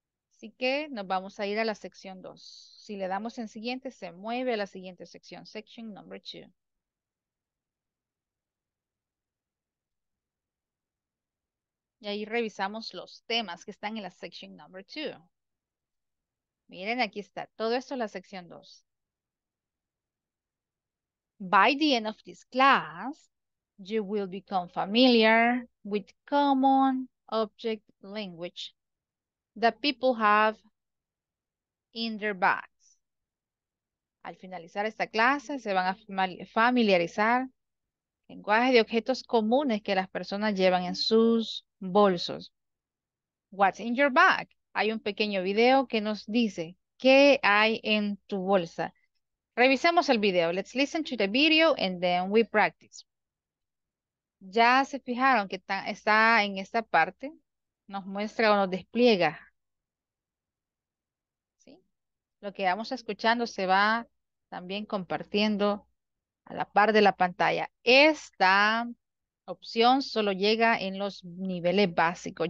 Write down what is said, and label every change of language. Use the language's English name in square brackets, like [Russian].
[Spanish] Así que nos vamos a ir a la sección 2. Si le damos en siguiente, se mueve a la siguiente sección, [English] section number 2. [Spanish] Y ahí revisamos los temas que están en la [English] section number 2. [Spanish] Miren, aquí está, todo esto es la sección 2. [English] By the end of this class, you will become familiar with common object language that people have in their bags. [Spanish] Al finalizar esta clase, se van a familiarizar con lenguaje de objetos comunes que las personas llevan en sus bolsos. [English] What's in your bag? [Spanish] Hay un pequeño video que nos dice qué hay en tu bolsa. Revisemos el video. [English] Let's listen to the video and then we practice. [Spanish] Ya se fijaron que está en esta parte. Nos muestra o nos despliega. ¿Sí? Lo que vamos escuchando se va también compartiendo a la par de la pantalla. Esta opción solo llega en los niveles básicos.